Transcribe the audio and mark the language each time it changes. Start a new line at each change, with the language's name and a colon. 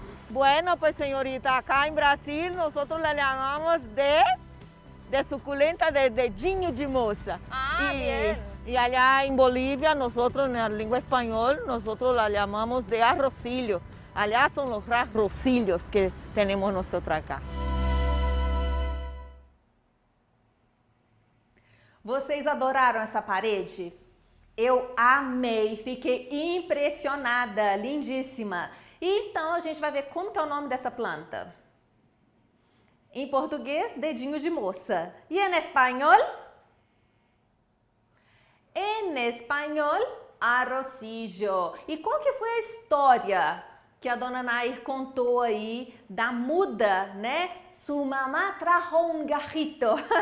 Spanish: Bueno, pues señorita, acá en Brasil nosotros la llamamos de suculenta de dedinho de moça. Ah, Y allá en Bolivia, nosotros en la lengua español, nosotros la llamamos de arrocillo. Allá son los arrocillos que tenemos nosotros acá. ¿Vocês adoraron esa pared?
Portuguese: Eu amei, fiquei impressionada, lindíssima. Então, a gente vai ver como que é o nome dessa planta. Em português, dedinho de moça. E em espanhol? Em espanhol, arrocillo. E qual que foi a história que a dona Nair contou aí da muda, né?
Spanish: Su mamá trajo un garrito.